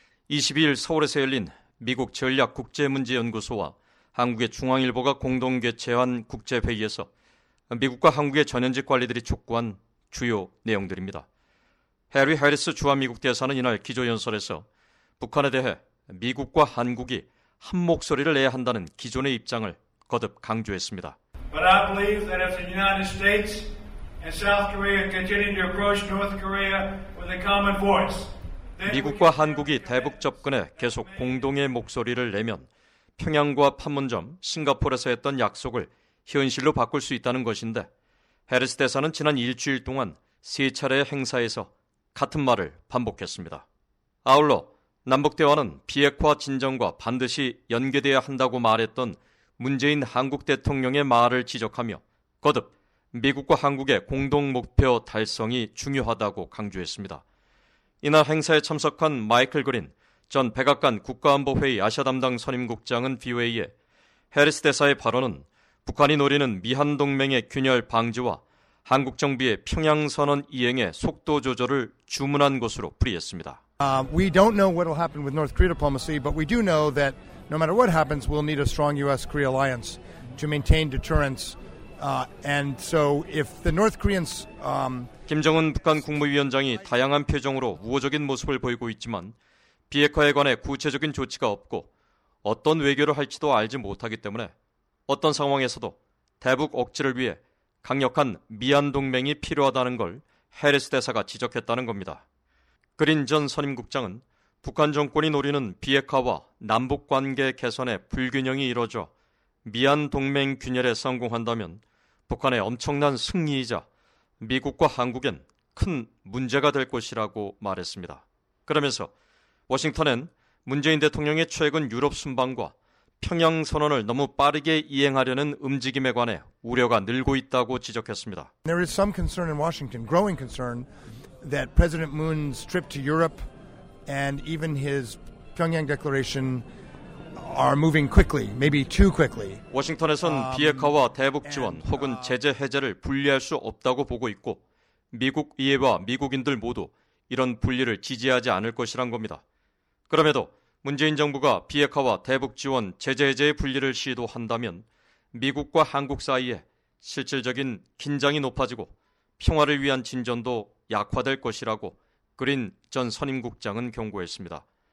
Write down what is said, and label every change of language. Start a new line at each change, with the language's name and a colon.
Korean: 22일 서울에서 열린 미국 전략국제문제연구소와 한국의 중앙일보가 공동 개최한 국제회의에서 미국과 한국의 전현직 관리들이 촉구한 주요 내용들입니다. 해리 해리스 주한미국 대사는 이날 기조연설에서 북한에 대해 미국과 한국이 한 목소리를 내야 한다는 기존의 입장을 거듭 강조했습니다.
English: But I believe that if the United States and South Korea continue to approach North Korea with a common voice,
Korean: 미국과 한국이 대북 접근에 계속 공동의 목소리를 내면 평양과 판문점, 싱가포르에서 했던 약속을 현실로 바꿀 수 있다는 것인데 해리스 대사는 지난 일주일 동안 세 차례의 행사에서 같은 말을 반복했습니다. 아울러 남북 대화는 비핵화 진전과 반드시 연계돼야 한다고 말했던 문재인 한국 대통령의 말을 지적하며 거듭 미국과 한국의 공동 목표 달성이 중요하다고 강조했습니다. 이날 행사에 참석한 마이클 그린 전 백악관 국가안보회의 아시아 담당 선임국장은 VOA에 해리스 대사의 발언은 북한이 노리는 미한동맹의 균열 방지와 한국 정부의 평양선언 이행에 속도 조절을 주문한 것으로 풀이했습니다.
English: We don't know what will happen with North Korea diplomacy, but we do know that no matter what happens, we'll need a strong U.S.-Korea alliance to maintain deterrence. And so if the North Koreans
Korean: 김정은 북한 국무위원장이 다양한 표정으로 우호적인 모습을 보이고 있지만 비핵화에 관해 구체적인 조치가 없고 어떤 외교를 할지도 알지 못하기 때문에 어떤 상황에서도 대북 억지를 위해 강력한 미한 동맹이 필요하다는 걸 해리스 대사가 지적했다는 겁니다. 그린 전 선임 국장은 북한 정권이 노리는 비핵화와 남북 관계 개선의 불균형이 이뤄져 미한 동맹 균열에 성공한다면 북한의 엄청난 승리이자 미국과 한국엔 큰 문제가 될 것이라고 말했습니다. 그러면서 워싱턴은 문재인 대통령의 최근 유럽 순방과 평양 선언을 너무 빠르게 이행하려는 움직임에 관해 우려가 늘고 있다고 지적했습니다.
English: There is some concern in Washington, growing concern that President Moon's trip to Europe and even his Pyongyang declaration are moving quickly, maybe too quickly.
Korean: 워싱턴에선 비핵화와 대북 지원 혹은 제재 해제를 분리할 수 없다고 보고 있고 미국 의회와 미국인들 모두 이런 분리를 지지하지 않을 것이란 겁니다. 그럼에도 문재인 정부가 비핵화와 대북 지원 제재 해제의 분리를 시도한다면 미국과 한국 사이에 실질적인 긴장이 높아지고 평화를 위한 진전도 약화될 것이라고 그린 전 선임국장은 경고했습니다.